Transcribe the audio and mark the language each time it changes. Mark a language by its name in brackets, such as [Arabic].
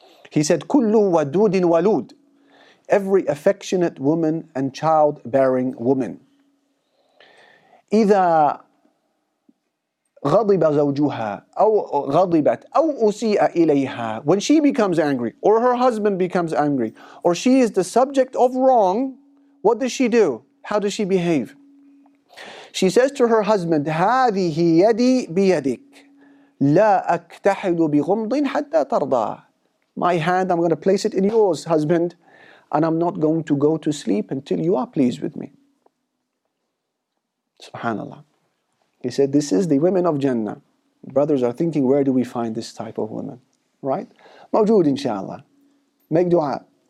[English] He said, [Arabic] Kullu wadudin walud. [English] Every affectionate woman and child-bearing woman. [Arabic] إذا غضب زوجها أو غضبت أو أسيء إليها, [English] when she becomes angry or her husband becomes angry or she is the subject of wrong, what does she do? How does she behave? She says to her husband, [Arabic] هذه يدي بيدك لا أكتحل بغمض حتى ترضى. [English] My hand, I'm going to place it in yours, husband, and I'm not going to go to sleep until you are pleased with me. Subhanallah. He said, this is the women of Jannah. Brothers are thinking, where do we find this type of woman? Right? Mawjood, inshallah. Make dua.